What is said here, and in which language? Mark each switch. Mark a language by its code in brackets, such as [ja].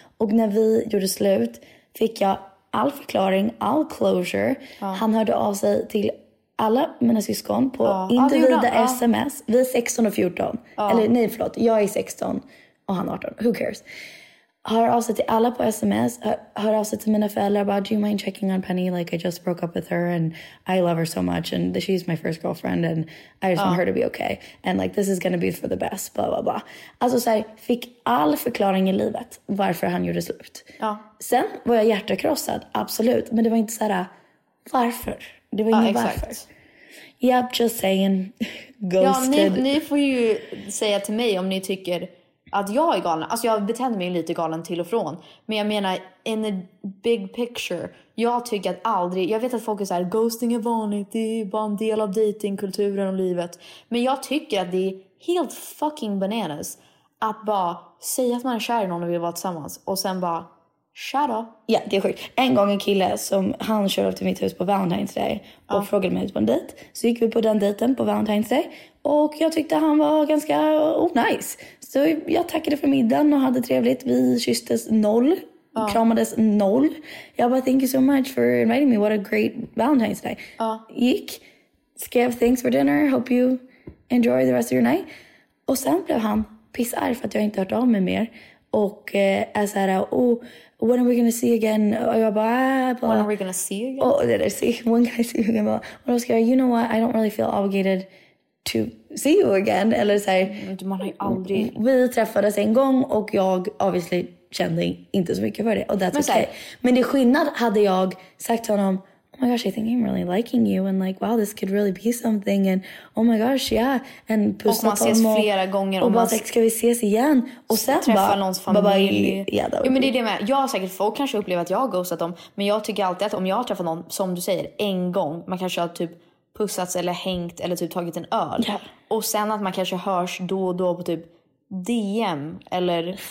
[sv] Och när vi gjorde slut fick jag all förklaring, all closure. Ja. Han hörde av sig till alla mina syskon på individa sms. Vi är 16 och 14. Ja. Eller nej, förlåt. Jag är 16 och han 18. [en] Who cares? [sv] Hör av sig till alla på sms. Hör av sig till mina föräldrar. Bara, [en] do you mind checking on Penny? Like, I just broke up with her and I love her so much. And she's my first girlfriend and I just want her to be okay. And like, this is gonna be for the best. Blah, blah, blah. [sv] Alltså så här, fick all förklaring i livet varför han gjorde slut. Ja. Sen var jag hjärtekrossad, absolut. Men det var inte så här, varför? Det var ingen varför. [en] Yep, just saying. [sv] Ghosted. Ja, ni får ju säga till mig om ni tycker... Att jag är galen. Alltså jag betände mig lite galen till och från. Men jag menar, [en] in the big picture. [sv] Jag tycker att aldrig... Jag vet att folk är så här, ghosting är vanligt. Det är bara en del av dejtingkulturen och livet. Men jag tycker att det är helt [en] fucking bananas. [sv] Att bara säga att man är kär i någon och vill vara tillsammans. Och sen bara, [en] shut up. [sv] Ja, det är sjukt. En gång en kille som han körde upp till mitt hus på Valentine's Day. Och frågade mig ut på en dejt. Så gick vi på den dejten på Valentine's Day. Och jag tyckte han var ganska nice. Så jag tackade för middagen och hade trevligt. Vi kysstes noll. Ja. Kramades noll. Jag bara, [en] thank you so much for inviting me. What a great Valentine's Day. [sv] Ja. Gick. Skrev [en] thanks for dinner. Hope you enjoy the rest of your night. [sv] Och sen blev han pissar för att jag inte hört av mig mer. Och är så här, [en] oh, when are we gonna see again? [sv] Och jag bara, [en] blah. When are we gonna see again? Oh, did I see? When can I see you again? [sv] Och då skrev jag, [en] you know what? I don't really feel obligated to see you again, [sv] eller så här, man har aldrig... Vi träffades en gång och jag obviously kände inte så mycket för det, och that's men, okay. Här, men det skillnad hade jag sagt till honom, [en] oh my gosh, I think I'm really liking you and like, wow, this could really be something and oh my gosh, yeah. And [sv] och man ses och, flera gånger och bara sagt, ska vi ses igen? Och sen träffa bara, någons familj. Yeah, jo, men det är det med, jag har säkert, folk kanske upplevt att jag har ghostat dem, men jag tycker alltid att om jag träffar någon, som du säger, en gång, man kanske har typ pussats eller hängt eller typ tagit en öl. Yeah. Och sen att man kanske hörs då och då på typ DM eller